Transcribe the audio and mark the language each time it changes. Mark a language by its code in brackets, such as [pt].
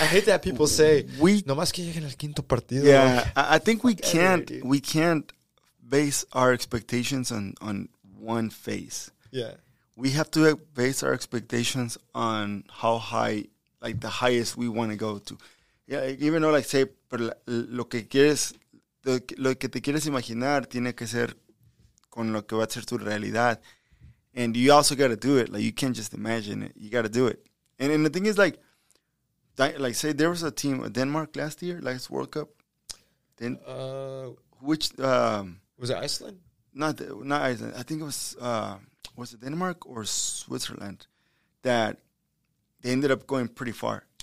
[en] I hate that people say [es] no más que lleguen al quinto partido. [en] Yeah, like, I think we can't base our expectations on one face. Yeah. We have to base our expectations on how high, like the highest we want to go to. Yeah, even though like say [es] lo que te quieres imaginar tiene que ser con lo que va a ser tu realidad. [en] And you also got to do it. Like, you can't just imagine it. You got to do it. And the thing is, like say there was a team, Denmark last year, last World Cup. Was it Iceland? Not Iceland. I think it was it Denmark or Switzerland that they ended up going pretty far.